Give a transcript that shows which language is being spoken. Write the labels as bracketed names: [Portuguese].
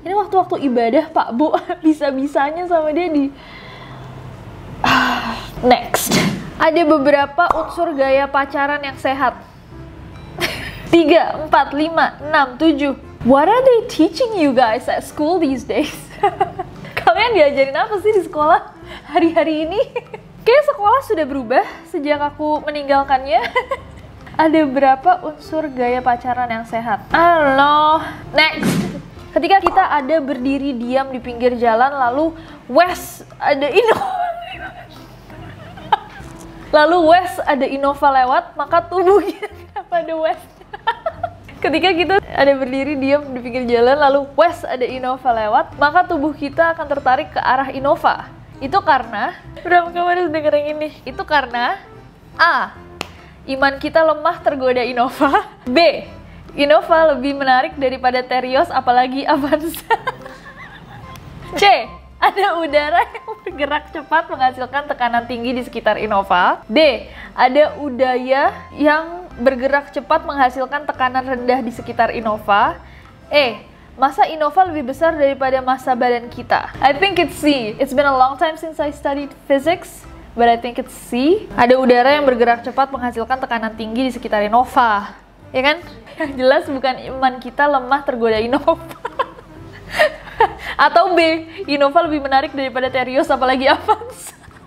[Indonesian] Ini waktu-waktu ibadah, Pak Bu. Bisa-bisanya sama dia di... Next. Ada beberapa unsur gaya pacaran yang sehat. 3, 4, 5, 6, 7. [English] What are they teaching you guys at school these days? [Indonesian] Kalian diajarin apa sih di sekolah hari-hari ini? Kayaknya sekolah sudah berubah sejak aku meninggalkannya. Ada berapa unsur gaya pacaran yang sehat? [English] I don't know. Next. [Indonesian] Ketika kita ada berdiri diam di pinggir jalan, lalu Wes ada Innova lewat, maka tubuhnya apa the Wes? Ketika kita ada berdiri diam di pinggir jalan, lalu Wes ada Innova lewat, maka tubuh kita akan tertarik ke arah Innova. Itu karena Bram, kamu harus dengerin ini. Itu karena A. Iman kita lemah tergoda Innova. B. Innova lebih menarik daripada Terios apalagi Avanza. C. Ada udara yang bergerak cepat menghasilkan tekanan tinggi di sekitar Innova. D. Ada udara yang bergerak cepat menghasilkan tekanan rendah di sekitar Innova. E. Masa Innova lebih besar daripada masa badan kita. [English] I think it's C. It's been a long time since I studied physics, but I think it's C. [Indonesian] Ada udara yang bergerak cepat menghasilkan tekanan tinggi di sekitar Innova. Ya kan? Yang jelas bukan iman kita lemah tergoda Innova. Atau B. Innova lebih menarik daripada Terios apalagi Avanza.